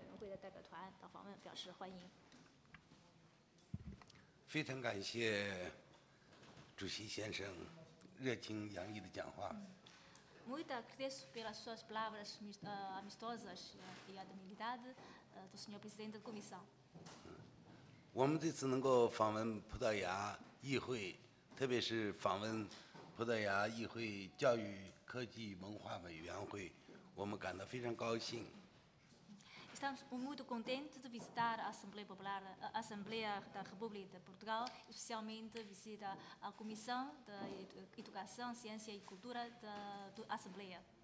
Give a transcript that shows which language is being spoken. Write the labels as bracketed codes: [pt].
[zh] 那么我在这呢，就是也以我们全体成员的名义呢，对中国全国人大全国委员会的代表团到访问表示欢迎。非常感谢主席先生热情洋溢的讲话。 [pt] Muito agradeço pelas suas palavras amistosas e a amabilidade do senhor presidente da comissão. [zh] 我们这次能够访问葡萄牙议会，特别是访问葡萄牙议会教育科技文化委员会，我们感到非常高兴。 [pt] Estamos muito contentes de visitar a Assembleia Popular, a Assembleia da República de Portugal, especialmente visita a Comissão de Educação, Ciência e Cultura da Assembleia.